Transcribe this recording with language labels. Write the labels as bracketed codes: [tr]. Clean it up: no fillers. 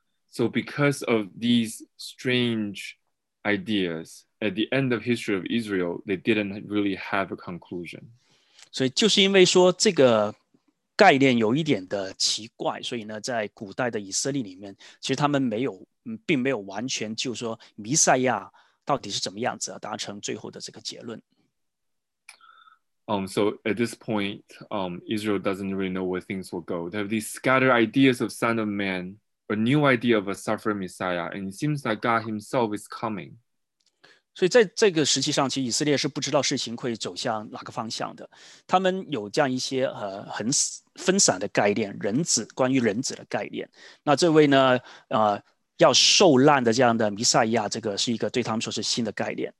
[en] So because of these strange ideas, at the end of history of Israel, they didn't really have a conclusion. [zh] 所以就是因为说这个概念有一点的奇怪，所以呢，在古代的以色列里面，其实他们没有。并没有完全就说弥赛亚到底是怎么样子达成最后的这个结论。 [en] So at this point, Israel doesn't really know where things will go. They have these scattered ideas of Son of Man, a new idea of a suffering Messiah, and it seems that God himself is coming. [zh] 所以在这个时期上，其实以色列是不知道事情会走向哪个方向的。他们有这样一些很分散的概念，人子，关于人子的概念。那这位呢，要受难的这样的弥赛亚，这个是一个对他们说是新的概念。